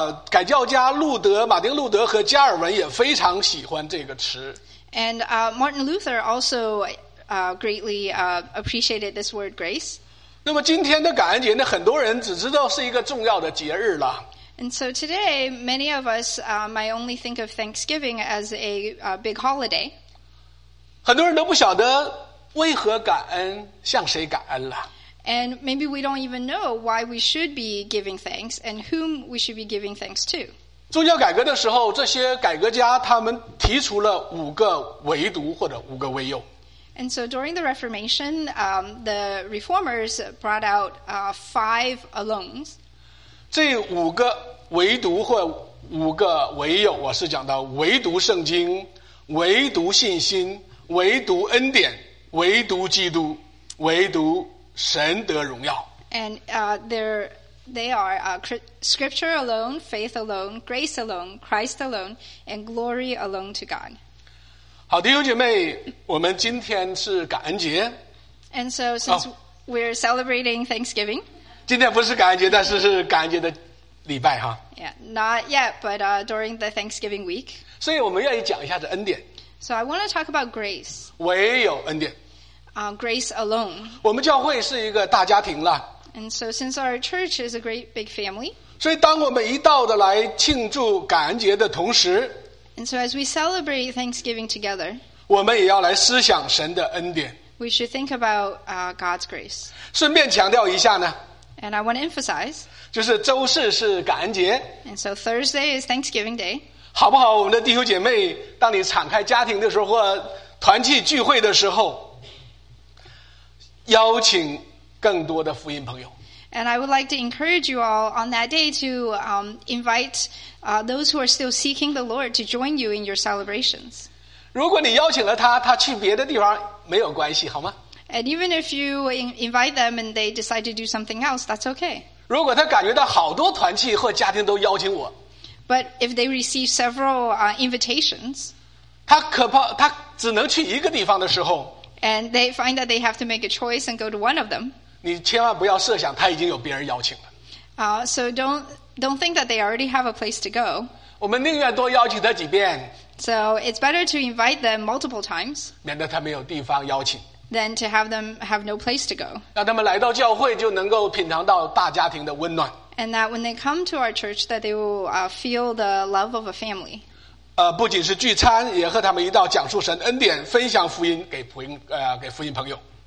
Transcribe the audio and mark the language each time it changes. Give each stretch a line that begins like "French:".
Chinese: 改教家路德、马丁路德和加尔文也非常喜欢这个词。
English: And Martin Luther also greatly appreciated this word grace.
Chinese: 那么今天的感恩节呢，很多人只知道是一个重要的节日了。
English: And so today, many of us might only think of Thanksgiving as a big holiday.
Chinese: 很多人都不晓得。为何感恩？向谁感恩了
English: ？And maybe we don't even know why we should be giving thanks and whom we should be giving thanks to.
Chinese: 宗教改革的时候，这些改革家他们提出了五个唯独或者五个唯有。
English: And so during the Reformation, the reformers brought out five alones.
Chinese: 这五个唯独或五个唯有，我是讲到唯独圣经、唯独信心、唯独恩典。唯独基督，唯独神得荣耀。
English: And they are scripture alone, faith alone, grace alone, Christ alone, and glory alone to God.
Chinese: 好，弟兄姐妹，我们今天是感恩节。
English: And so since we're celebrating Thanksgiving,
Chinese: 今天不是感恩节，但是是感恩节的礼拜哈。
English: Yeah, not yet, but during the Thanksgiving week.
Chinese: 所以我们愿意讲一下这恩典。
English: So I want to talk about grace.
Chinese: 唯有恩典。
English: Grace alone.
Chinese: 我们教会是一个大家庭了。
English: And so since our church is a great big family.
Chinese: 所以当我们一道的来庆祝感恩节的同时。
English: And so as we celebrate Thanksgiving together.
Chinese: 我们也要来思想神的恩典。
English: We should think about God's grace.
Chinese: 顺便强调一下呢。
English: And I want to emphasize.
Chinese: 就是周四是感恩节。
English: And so Thursday is Thanksgiving Day.
Chinese: 好不好我们的弟兄姐妹当你敞开家庭的时候或团契聚会的时候邀请更多的福音朋友。
English: And I would like to encourage you all on that day to invite those who are still seeking the Lord to join you in your celebrations.
Chinese: 如果你邀请了他他去别的地方没有关系好吗？
English: And even if you invite them and they decide to do something else, that's okay.
Chinese: 如果他感觉到好多团契或家庭都邀请我。
English: But if they receive several invitations,
Chinese: 他只能去一个地方的时候。
English: And they find that they have to make a choice and go to one of them.
Chinese: 你千万不要设想他已经有别人邀请了。
English: So don't think that they already have a place to go.
Chinese: 我们宁愿多邀请他几遍。
English: So it's better to invite them multiple times.
Chinese: 免得他没有地方邀请。
English: Than to have them have no place to go.
Chinese: 让他们来到教会就能够品尝到大家庭的温暖。
English: And that when they come to our church, that they will feel the love of a family.
Chinese: 不仅是聚餐，也和他们一道讲述神恩典，分享福音给福音朋友。